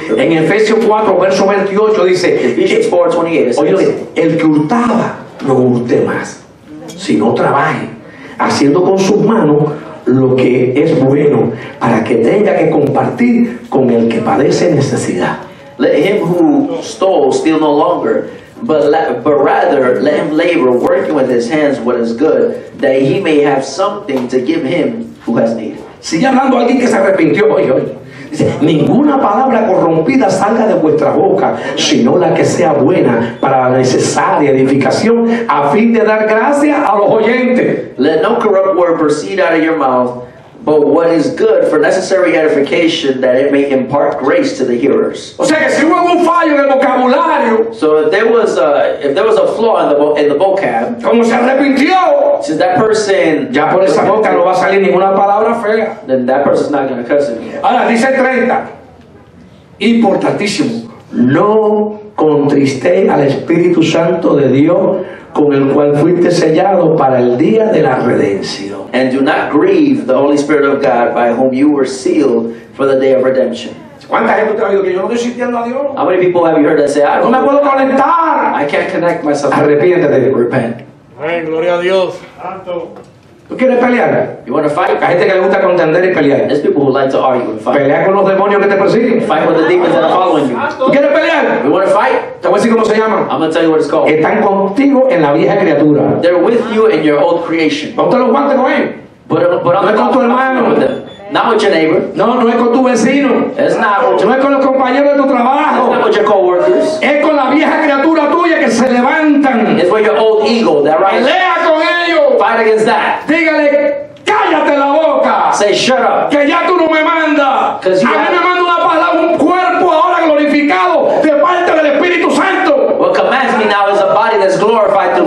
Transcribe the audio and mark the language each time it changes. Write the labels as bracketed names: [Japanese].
[Spanish] En Efesios 4, verso 28 dice. [English] Ephesians 4:28. [Spanish] Oye, el que hurtaba, no hurte más. Si no trabaje, haciendo con sus manos lo que es bueno para que tenga que compartir con el que padece necesidad. [English] Let him who stole steal no longer, but rather let him labor, working with his hands what is good, that he may have something to give him who has need. [Spanish] Sigue hablando alguien que se arrepintió hoy. Dice, ninguna palabra corrompida salga de vuestra boca, sino la que sea buena para la necesaria edificación, a fin de dar gracia a los oyentes. [English] Let no corrupt word proceed out of your mouth, but what is good for necessary edification, that it may impart grace to the hearers. [Spanish] O sea que si hubo algún fallo en el vocabulario. [English] So if there was a flaw in the vocab. [Spanish] Como se arrepintió. [English] Since that person. [Spanish] Ya por esa boca no va a salir ninguna palabra fea. [English] Then that person's not going to curse anymore. [Spanish] Ahora dice 30. Importantísimo. No contriste al Espíritu Santo de Dios, con el cual fuiste sellado para el día de la redención. [English] And do not grieve the Holy Spirit of God, by whom you were sealed for the day of redemption. [Spanish] ¿Cuánta gente te ha oído que yo no estoy sirviendo a Dios? [English] How many people have you heard that say, [Spanish] no me puedo conectar. [English] I can't connect myself. [Spanish] Arrepiéntete. [English] Repent. [Spanish] Amen. Gloria a Dios. Santo. ¿Tú quieres pelear? [English] You want to fight? [Spanish] Hay gente que le gusta contender y pelear. [English] There's people who like to argue and fight. [Spanish] Pelear con los demonios que te persiguen. [English] Fight with the demons that are following you. [Spanish] ¿Tú quieres pelear? [English] You want to fight? [Spanish] Te voy a decir cómo se llama. [English] I'm going to tell you what it's called. [Spanish] Están contigo en la vieja criatura. [English] They're with you in your old creation. [Spanish] Ponte los guantes con él. [English] But [Spanish] no es con tu hermano. [English] Not with your neighbor. [Spanish] No, no es con tu vecino. [English] It's not with your... [Spanish] No es con los compañeros de tu trabajo. [English] It's not with your co-workers. [Spanish] Es con la vieja criatura tuya que se levantan. [English] It's with your old ego that rises. [Spanish] Pelea con ellos. [English] Fight against that. [Spanish] Dígale, cállate la boca. [English] Say, shut up. [Spanish] Que ya tú no me mandas. A mí me manda una palabra, un cuerpo ahora glorificado de parte del Espíritu Santo. [English] What commands me now is a body that's glorified through